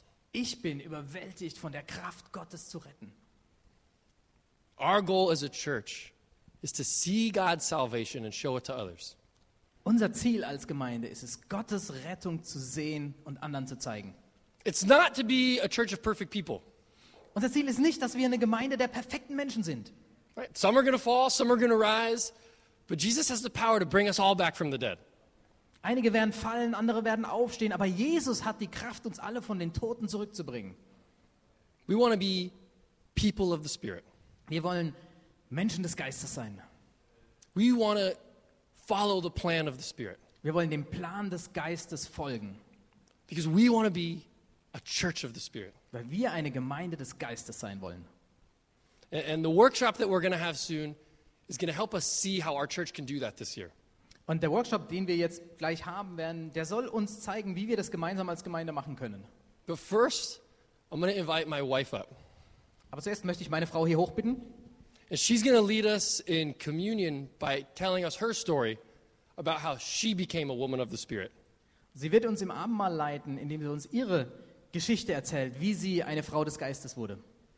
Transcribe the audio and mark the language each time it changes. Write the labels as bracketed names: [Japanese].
[German] Ich bin überwältigt von der Kraft Gottes zu retten. [English] Our goal as a church is to see God's salvation and show it to others. [German] Unser Ziel als Gemeinde ist es, Gottes Rettung zu sehen und anderen zu zeigen. [English] It's not to be a church of perfect people. [German] Unser Ziel ist nicht, dass wir eine Gemeinde der perfekten Menschen sind. [English] Right. Some are going to fall, some are going to rise, but Jesus has the power to bring us all back from the dead. [German] Einige werden fallen, andere werden aufstehen, aber Jesus hat die Kraft, uns alle von den Toten zurückzubringen. [English] We want to be people of the Spirit. [German] Wir wollen Menschen des Geistes sein. [English] We want to follow the plan of the Spirit. [German] Wir wollen dem Plan des Geistes folgen. [English] Because we want to be a church of the Spirit. [German] Weil wir eine Gemeinde des Geistes sein wollen. [English] And the workshop that we're going to have soon is going to help us see how our church can do that this year. [German] Und der Workshop, den wir jetzt gleich haben werden, der soll uns zeigen, wie wir das gemeinsam als Gemeinde machen können. [English] But first, I'm going to invite my wife up. [German] Aber zuerst möchte ich meine Frau hier hochbitten. [English] And she's going to lead us in communion by telling us her story about how she became a woman of the Spirit. [German] Sie wird uns im Abendmahl leiten, indem sie uns ihre Geschichte erzählt, wie sie eine Frau des Geistes wurde.